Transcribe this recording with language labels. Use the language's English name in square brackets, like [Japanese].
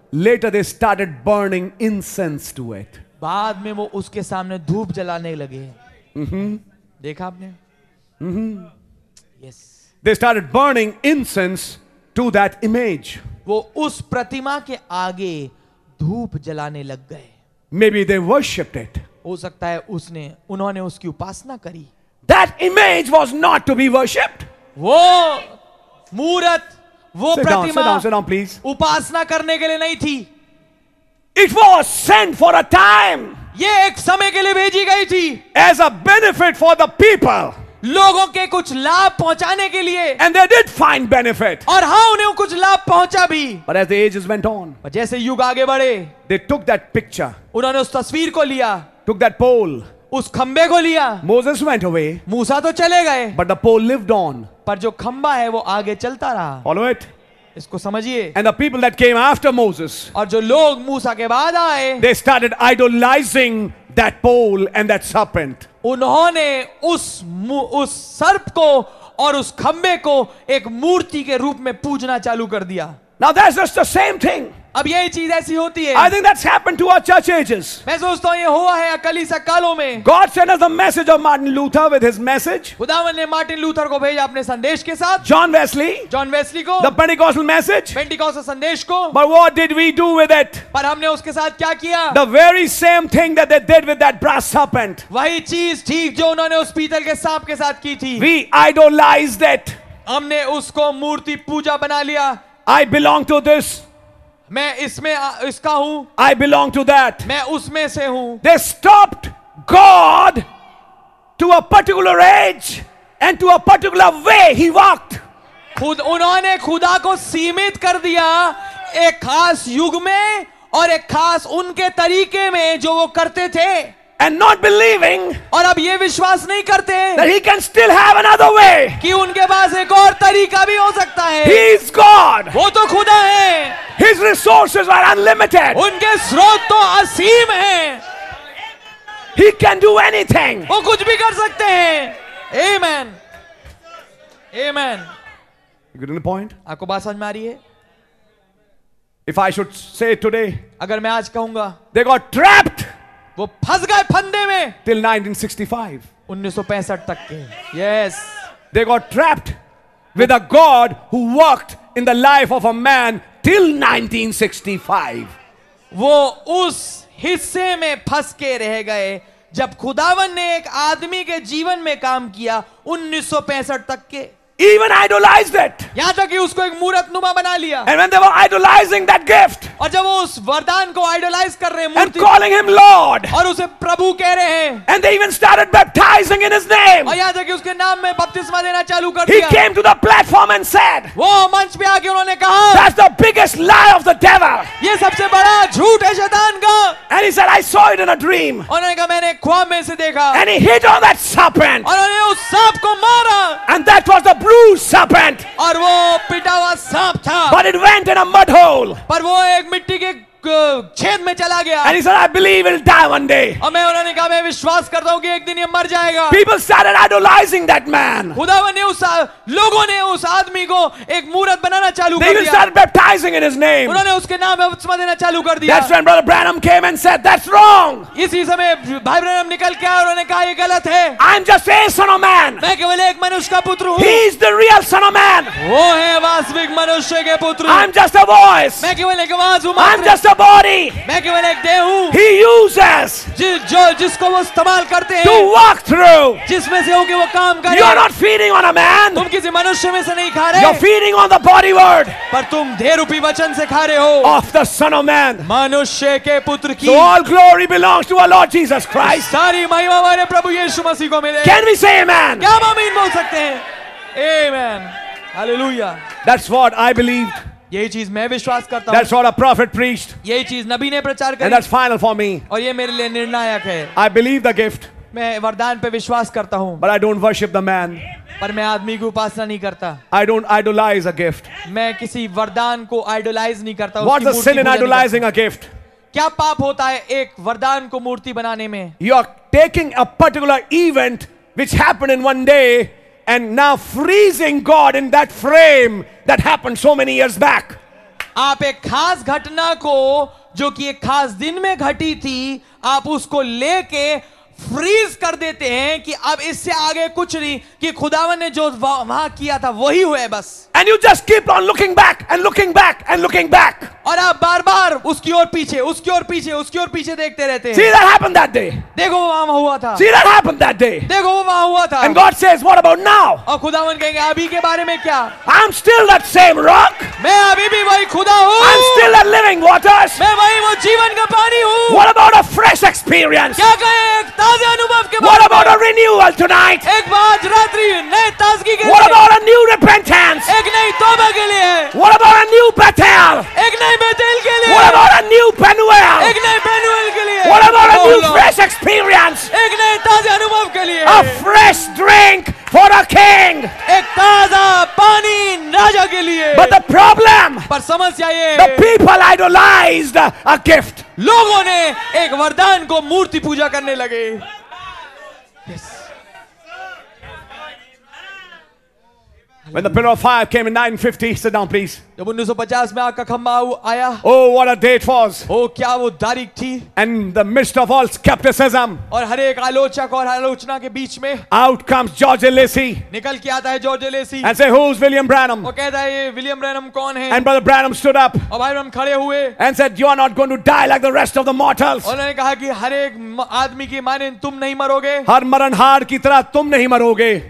[English] later they started burning incense to it, [Hindi] बाद में वो उसके सामने धूप जलाने लगे, देखा आपने, [English] yes. They started burning incense to that image. [Hindi] वो उस प्रतिमा के आगे धूप जलाने लग गए. [English] Maybe they worshipped it. [Hindi] हो सकता है उसने उन्होंने उसकी उपासना करी. [English] That image was not to be worshipped. [Hindi] वो मूरत, वो प्रतिमा. [English] Sit down, please. [Hindi] उपासना करने के लिए नहीं थी. [English] It was sent for a time. [Hindi] ये एक समय के लिए भेजी गई थी. [English] As a benefit for the people. [Hindi] लोगों के कुछ लाभ पहुंचाने के लिए. [English] And they did find benefit. [Hindi] और हाँ उन्हें कुछ लाभ पहुंचा भी. [English] But as the ages went on. [Hindi] पर जैसे युग आगे बढ़े. [English] They took that picture. [Hindi] उन्होंने उस तस्वीर को लिया. [English] Took that pole. [Hindi] उस खंबे को लिया. [English] Moses went away. [Hindi] मूसा तो चले गए. [English] But the pole lived on. [Hindi] पर जो खंबा है वो आगे चलता रहा. [English] Follow it. [Hindi] इसको समझिए. [English] And the people that came after Moses. [Hindi] और जो लोग मूसा के बाद आए. [English] They started idolising that pole and that serpent. [Hindi] उन्होंने उस सर्प को और उस खंबे को एक मूर्ति के रूप में पूजना चालू कर दिया. [English] Now that's just the same thing. [Hindi] अब यही चीज ऐसी होती है. [English] I think that's happened to our church ages. [Hindi] मैं सोचता हूँ ये हुआ है कलीसिया कालों में. [English] God sent us a message of Martin Luther with his message. [Hindi] खुदावन ने मार्टिन लूथर को भेजा अपने संदेश के साथ. [English] John Wesley [Hindi] को. [English] The Pentecostal message. [Hindi] Pentecostal संदेश को. [English] But what did we do with it? [Hindi] पर हमने उसके साथ क्या किया? [English] The very same thing that they did with that brass serpent. [Hindi] वही चीज ठीक जो उन्होंने उस पीतल के सांप के साथ की थी. [English] We idolized it. [Hindi] हमने उसको मूर्ति पूजा बना लिया. [English] I belong to this. [Hindi] मैं इसमें इसका हूं. [English] I belong to that. [Hindi] मैं उसमें से हूं. [English] They stopped God to a particular age and to a particular way he walked. [Hindi] खुद उन्होंने खुदा को सीमित कर दिया एक खास युग में और एक खास उनके तरीके में जो वो करते थे. [English] And not believing. [Hindi] और अब ये विश्वास नहीं करते. [English] That he can still have another way. [Hindi] कि उनके पास एक और तरीका भी हो सकता है. [English] He is God. [Hindi] वो तो खुदा है. [English] His resources are unlimited. [Hindi] उनके स्रोत तो असीम हैं. [English] He can do anything. [Hindi] वो कुछ भी कर सकते हैं. Amen. Amen. [English] You getting the point? [Hindi] आपको बात समझ में आ रही है? [English] If I should say it today. [Hindi] अगर मैं आज कहूंगा. [English] They got trapped. [Hindi] वो फंस गए फंदे में. [English] Till 1965 [Hindi] तक के. [English] Yes. They got trapped with a God who worked in the life of a man till 1965. [Hindi] वो उस हिस्से में फंस के रह गए जब खुदावन ने एक आदमी के जीवन में काम किया 1965 तक के. [English] Even idolized it. [Hindi] यहां तक कि उसको एक मूरत नुमा बना लिया. [English] And when they were idolizing that gift. [Hindi] और जब वो उस वरदान को idolize कर रहे हैं. [English] And calling him Lord. [Hindi] और उसे प्रभु कह रहे हैं. [English] And they even started baptizing in his name. [Hindi] और यहां तक कि उसके नाम में बपतिस्मा देना चालू कर दिया. [English] He came to the platform and said. [Hindi] वो मंच पे आके उन्होंने कहा. [English] That's the biggest lie of the devil. [Hindi] ये सबसे बड़ा झूठ है शैतान का. [English] And he said, I saw it in a dream. [Hindi] और उन्होंने कहा मैंने ख्वाब में से देखा. [English] And he hit on that serpent. [Hindi] और उन्होंने उस सांप को मारा. [English] And that was the blue serpent. [Hindi] और वो पिटा हुआ सांप था. [English] But it went in a mud hole. [Hindi] पर वो एक मिट्टी के छेद में चला गया. [English] And he said, I believe it'll die one day. [Hindi] और मैं उन्होंने कहा मैं विश्वास करता हूँ कि एक दिन ये मर जाएगा. [English] People started idolizing that man. [Hindi] खुदावन ने उस लोगों ने उस आदमी को एक मूरत बनाना चालू कर दिया. [English] They started baptizing in his name. [Hindi] उन्होंने उसके नाम में बपतिस्मा देना चालू कर दिया. [English] That's when Brother Branham came and said, that's wrong. [Hindi] इसी समय भाई ब्रैनम निकल के आया और उन्होंने कहा ये गलत है. [English] I'm just a son of man. [Hindi] मैं केवल एक मनुष्य का पुत्र हूँ. [English] He is the real son of man. [Hindi] वो है वास्तविक मनुष्य के पुत्र. [English] I'm just a voice. [Hindi] मैं केवल एक आवाज हूँ. [English] I'm just a body. [Hindi] मैं केवल एक देह हूँ. [English] He uses. [Hindi] जिसको वो इस्तेमाल करते हैं. [English] To walk through. [Hindi] जिसमें से होंगे वो काम करें. [English] You're not feeding on a man. [Hindi] तुम किसी मनुष्य में से नहीं खा रहे. [English] You're feeding on the body word. [Hindi] पर तुम देह रूपी वचन से खा रहे हो. [English] Of the son of man. [Hindi] मनुष्य के पुत्र की. [English] So all glory belongs to our Lord Jesus Christ. [Hindi] सारी महिमा हमारे प्रभु यीशु मसीह को मिले. [English] Can we say amen? [Hindi] क्या हम आमीन बोल सकते हैं? [English] Amen. Hallelujah. That's what I believed. [Hindi] यही चीज मैं विश्वास करता हूँ. [English] That's what a prophet preached. [Hindi] यही चीज नबी ने प्रचार करी. [English] And that's final for me. [Hindi] और ये मेरे लिए निर्णायक है. [English] I believe the gift. [Hindi] मैं वरदान पे विश्वास करता हूँ. [English] But I don't worship the man. [Hindi] पर मैं आदमी की उपासना नहीं करता. [English] I don't idolize a gift. [Hindi] मैं किसी वरदान को idolize नहीं करता. [English] What's the sin in idolizing a gift? [Hindi] क्या पाप होता है एक वरदान को मूर्ति बनाने में? [English] You are taking a particular event which happened in one day. And now freezing God in that frame that happened so many years back. [Hindi] आप एक खास घटना को जो कि एक खास दिन में घटी थी आप उसको लेके फ्रीज कर देते हैं कि अब इससे आगे कुछ नहीं कि खुदावन ने जो वहां किया था वही हुआ है बस. [English] And you just keep on looking back and looking back and looking back. [Hindi] और आप बार बार उसकी ओर पीछे देखते रहते हैं. [English] See that happened that day. [Hindi] देखो वो वहां हुआ था. [English] See that happened that day. [Hindi] देखो वो वहां हुआ था. [English] And God says, what about now? [Hindi] और खुदावन कहेंगे अभी के बारे में क्या? [English] I'm still that same rock. [Hindi] मैं अभी भी वही खुदा हूँ. [English] I'm still that living waters. [Hindi] मैं वही वो जीवन का पानी हूँ. [English] What about a fresh experience? [Hindi] क्या कहें एक ताजे अनुभव के बारे में? [English] What about a renewal tonight? [Hindi] एक बार रात्रि नई ताजगी के. [English] What about a new repentance? [Hindi] एक नई तौबा के लिए. [English] What about a new Bethel? [Hindi] एक नई बेथेल के लिए. [English] What about a new Penuel? [Hindi] एक नई पेनुएल के लिए. [English] What about a new fresh experience? [Hindi] एक नई ताजे अनुभव के लिए. [English] A fresh drink for a king. [Hindi] एक ताजा पानी राजा के लिए. [English] But the problem. [Hindi] पर समस्या ये. [English] The people idolized a gift. [Hindi] लोगों ने एक वरदान को मूर्ति पूजा करने लगे. [English] Yes. When the pillar of fire came in 950, sit down, please. [Hindi] जब 1950 में आपका खंबा आया. [English] Oh, what a day it was. [Hindi] Oh, क्या वो तारीख थी. [English] And the midst of all skepticism. [Hindi] और हर एक आलोचक और आलोचना के बीच में. [English] Out comes George Lacy. [Hindi] निकल के आता है George Lacy. [English] And say, who's William Branham? [Hindi] वो कहता है ये William Branham कौन है? [English] And Brother Branham stood up. [Hindi] और भाई ब्रैनम खड़े हुए. [English] And said, you are not going to die like the rest of the mortals. [Hindi] उन्होंने कहा कि हर एक आदमी की माने तुम नहीं मरोगे. हर मरणहार की तरह तुम नहीं मरोगे.